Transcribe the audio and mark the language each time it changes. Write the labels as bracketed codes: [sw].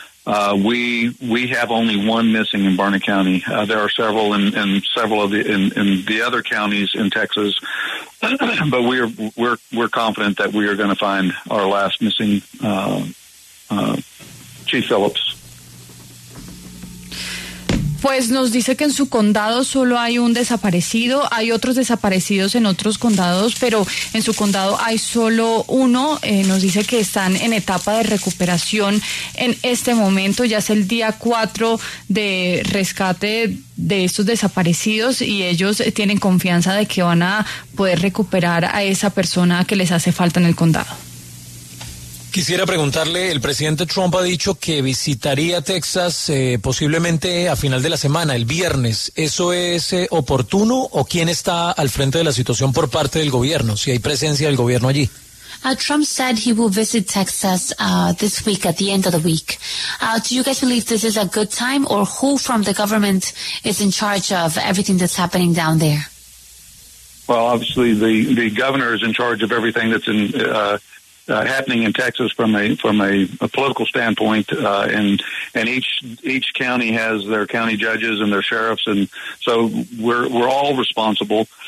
[en] We have only one missing in Barnett County. There are several in several of the other counties in Texas, but we're confident that we are going to find our last missing Chief Phillips. [es] Pues nos dice que en su condado solo hay un desaparecido. Hay otros desaparecidos en otros condados, pero en su condado hay solo uno. Nos dice que están en etapa de recuperación en este momento. Ya es el día 4 de rescate de estos desaparecidos y ellos tienen confianza de que van a poder recuperar a esa persona que les hace falta en el condado. Quisiera preguntarle, el presidente Trump ha dicho que visitaría Texas posiblemente a final de la semana, el viernes. ¿Eso es oportuno o quién está al frente de la situación por parte del gobierno, si hay presencia del gobierno allí? [en] Trump said he will visit Texas this week, at the end of the week. Do you guys believe this is a good time, or who from the government is in charge of everything that's happening down there? Well, obviously, the governor is in charge of everything that's in happening in Texas from a political standpoint, and each county has their county judges and their sheriffs, and so we're all responsible.